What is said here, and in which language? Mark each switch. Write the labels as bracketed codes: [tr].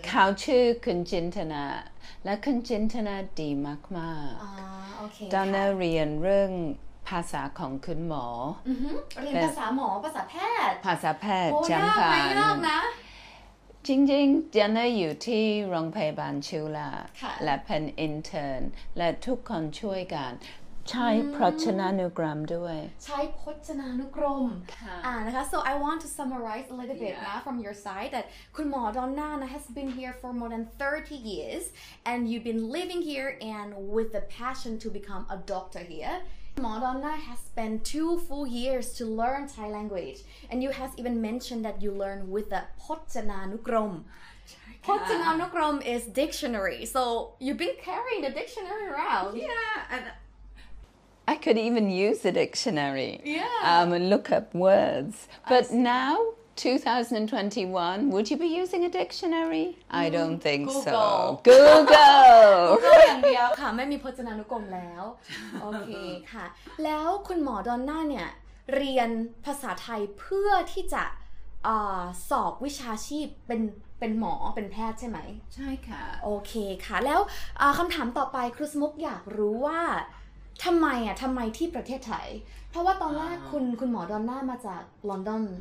[th] เขาชื่อคุณจินตนาและคุณจินตนาดีมากๆตอนนั้นเรียนเรื่องภาษาของคุณหมอ เรียนภาษาหมอภาษาแพทย์ ภาษาแพทย์ จังหวะไม่ยากนะ จริงๆจะน่าอยู่ที่โรงพยาบาลชิวลาและเป็นอินเทิร์นและทุกคนช่วยกันใช้พจนานุกรมด้วย ใช้พจนานุกรมนะคะ [en] so I want to summarize a little bit now from your side that คุณหมอดอนน่านะ has been here for more than 30 years and you've been living here and with the passion to become a doctor hereMadonna has spent 2 full years to learn Thai language, and you have even mentioned that you learn with the Pochanaanukrom. Pochanaanukrom is dictionary, so you've been carrying the dictionary around. Yeah, I could even use the dictionary. Yeah, and look up words. But now, 2021, would you be using a dictionary? I don't think Google. Google. [th] อย่างเดียวค่ะไม่มีพจนานุกรมแล้วโอเคค่ะแล้วคุณหมอดอนน่าเนี่ยเรียนภาษาไทยเพื่อที่จะสอบวิชาชีพเป็นหมอเป็นแพทย์ใช่ไหม ใช่ค่ะ โอเคค่ะแล้วคำถามต่อไปครูสมุกอยากรู้ว่าทำไมอ่ะทำไมที่ประเทศไทยเพราะว่าตอนแรกคุณหมอดอนน่ามาจากลอนดอน